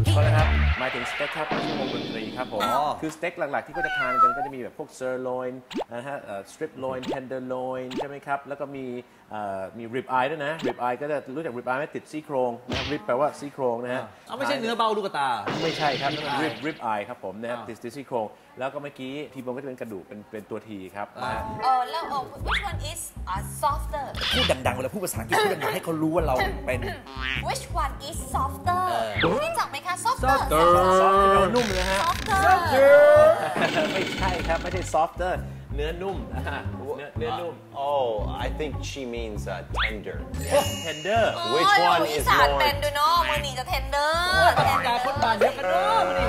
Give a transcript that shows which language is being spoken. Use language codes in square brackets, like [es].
[th] ก็นะครับหมายถึงสเต็กครับที่วงดนตรีครับผมคือสเต็กหลักๆที่ก็จะทานกันก็จะมีแบบพวกเซอร์ลอยนะฮะสตริปลอยน์เทนเดอร์ลอยน์ใช่ไหมครับแล้วก็มีริบอายด้วยนะริบอายก็จะรู้จักริบอายไหมติดซี่โครงนะริบแปลว่าซี่โครงนะฮะ ไม่ใช่เนื้อเบ้าลูกตา ไม่ใช่ครับริบอายครับผมนะครับติดซี่โครงแล้วก็เมื่อกี้ทีบงก็จะเป็นกระดูกเป็นตัวทีครับ แล้ว [en] which one is softer [th] พูดดังๆเวลาพูดภาษาอังกฤษพูดดังๆให้เขารู้ว่าเราเป็น [en] which one is softer [th] รู้จักไหมคะ softer นุ่มเลยฮะ [en] softer [th] ไม่ใช่ครับไม่ใช่ softerเนื้อนุ่มเนื้อนุ่ม [en] oh I think she means tender tender which one is more [th] tender เนาะมันนี่จะ tender แต่การคนบ้านเยอะกันเนาะ